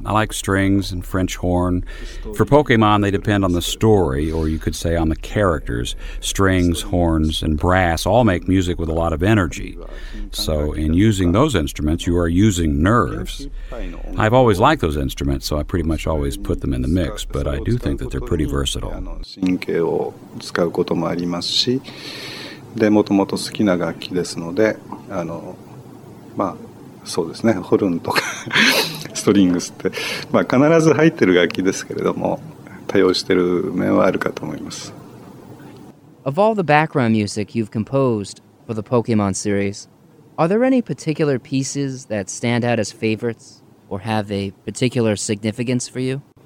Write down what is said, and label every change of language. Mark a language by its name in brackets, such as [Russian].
[English] I like strings and French horn. For Pokemon, they depend on the story, or you could say on the characters. Strings, horns, and brass all make music with a lot of energy. So in using those instruments, you are using nerves. I've always liked those instruments, so I pretty much always put them in the mix, but I do think that they're pretty versatile. [Japanese] 神経を使うこともありますし、で、もともと好きな楽器ですので、まあ、そうですね、ホルンとかストリングスって、まあ、必ず入ってる楽器ですけれども多用してる面はあるかと思います。 [English] Of all the background music you've composed for the Pokemon series, are there any particular pieces that stand out as favorites or have a particular significance for you?